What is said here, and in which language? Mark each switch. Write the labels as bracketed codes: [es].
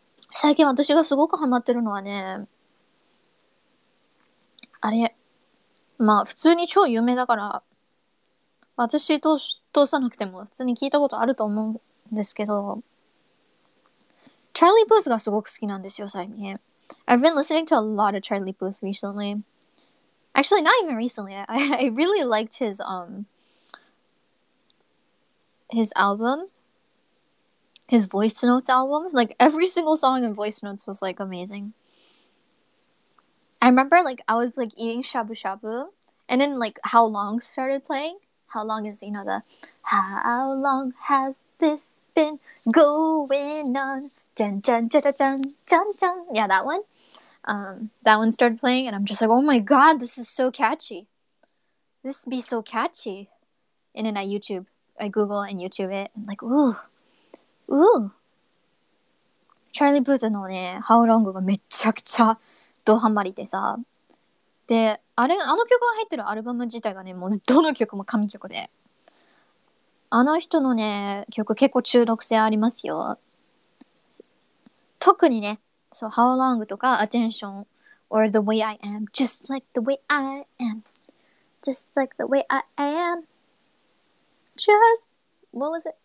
[ja] 最近私がすごくハマってるのはね、あれ、まあ普通に超有名だから、私通さなくても普通に聞いたことあると思うんですけど、チャーリー・プースがすごく好きなんですよ、最近。 [en] I've been listening to a lot of Charlie Puth recently. Actually, not even recently. I really liked his album. His voice notes album. Like, every single song in voice notes was, like, amazing. I remember, like, I was, like, eating shabu shabu. And then, like, How Long started playing. How long is, you know, the... How long has this been going on? Dun, dun, dun, dun, dun, dun, dun. Yeah, that one. That one started playing, and I'm just like, oh my god, this is so catchy. This be so catchy. And then I Google and YouTube it, and like, ooh, ooh. [ja] Charlie Puth のね、How Long がめちゃくちゃドハマりでさ。で、あれ、あの曲が入ってるアルバム自体がね、もうどの曲も神曲で。あの人のね、曲結構中毒性ありますよ。特にね、So How Long とか Attention or The Way I Am Just Like The Way I Am Just Like The Way I Am Just What was it?